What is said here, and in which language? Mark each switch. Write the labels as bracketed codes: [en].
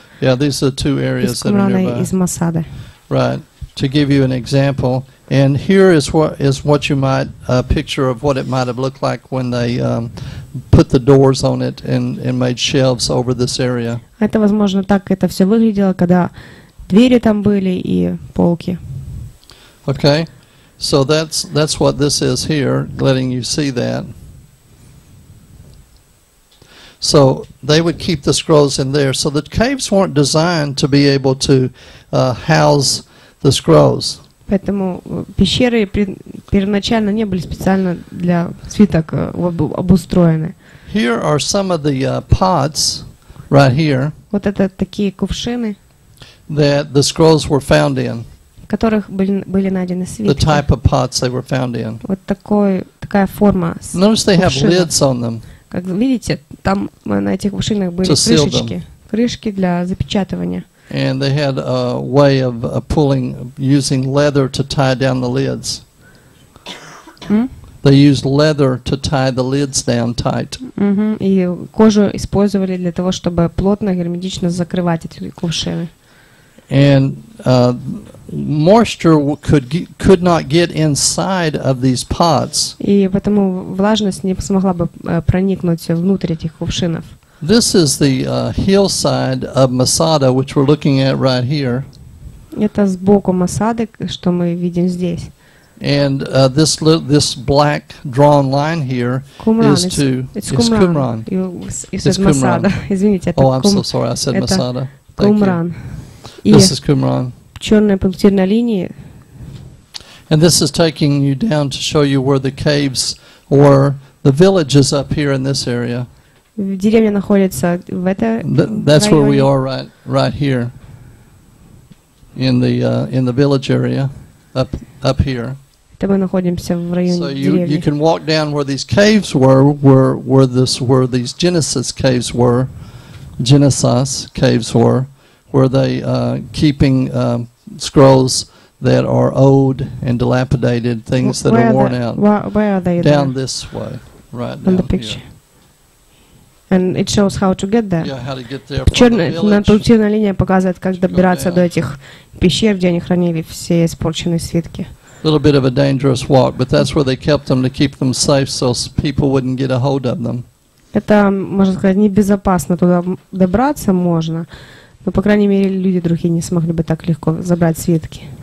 [en] Yeah, these are two areas that are nearby. Qumran is Masada. Right. To give you an example, and here is what you might picture of what it might have looked like when they put the doors on it and made shelves over this area. [ru] Это возможно так это все выглядело, когда двери там были и полки. [en] Okay, so that's what this is here, letting you see that. So they would keep the scrolls in there. So the caves weren't designed to be able to house the scrolls. [ru] Поэтому пещеры первоначально не были специально для свиток обустроены. [en] Here are some of the pots right here. [ru] Вот это такие кувшины. [en] That the scrolls were found in. [ru] Которых были найдены свитки. [en] The type of pots they were found in. [ru] Вот такая форма. [en] Notice they have lids on them. [ru] Как видите, там на этих кувшинах были крышки для запечатывания. [en] And they had a way of pulling, using leather to tie down the lids. They used leather to tie the lids down tight. [ru] И кожу использовали для того, чтобы плотно герметично закрывать эти кувшины. [en] And moisture could not get inside of these pots. [ru] И поэтому влажность не смогла бы проникнуть внутрь этих кувшинов. [en] This is the hillside of Masada, which we're looking at right here. [ru] Это сбоку Масады, что мы видим здесь. [en] And this black drawn line here is Qumran. It's Qumran. [ru] Извините, это Qumran. [en] Oh, I'm so sorry. I said Masada. [ru] Это Qumran. [en] This is Qumran. [ru] Черная пунктирная линия. [en] And this is taking you down to show you where the caves or the villages up here in this area. [ru] Деревня находится в этой районе. [en] That's where we are right here in the village area up here. [ru] Это мы находимся в районе деревни. [en] So you can walk down where these caves were, where these Genesis caves were, Genesis caves were, where they keeping scrolls that are old and dilapidated, things that are worn out. Where are they? Down there? This way, right on down the picture. Here. And it shows how to get there. Yeah, how to get there from the village. [ru] Черная линия показывает, как добираться до этих пещер, где они хранили все испорченные свитки. [en] A little bit of a dangerous walk, but that's where they kept them to keep them safe, so people wouldn't get a hold of them. [ru] Это, можно сказать, небезопасно туда добраться можно, но по крайней мере люди другие не смогли бы так легко забрать свитки.